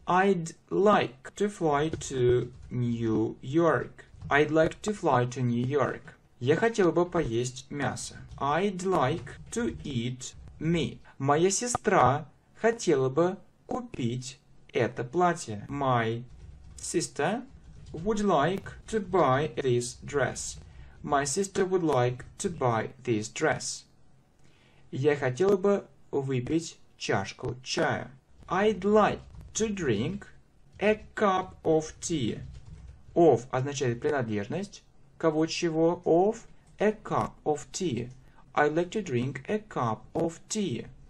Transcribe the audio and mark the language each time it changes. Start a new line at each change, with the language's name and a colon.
English: I'd like to fly to New York. I'd like to fly to New York.
Russian: Я хотел бы поесть мясо.
English: I'd like to eat meat.
Russian: Моя сестра хотела бы купить это платье.
English: My sister would like to buy this dress. My sister would like to buy this dress.
Russian: Я хотел бы выпить чашку чая.
English: I'd like to drink a cup of tea.
Russian: Of означает принадлежность кого-чего.
English: Of a cup of tea. I'd like to drink a cup of tea.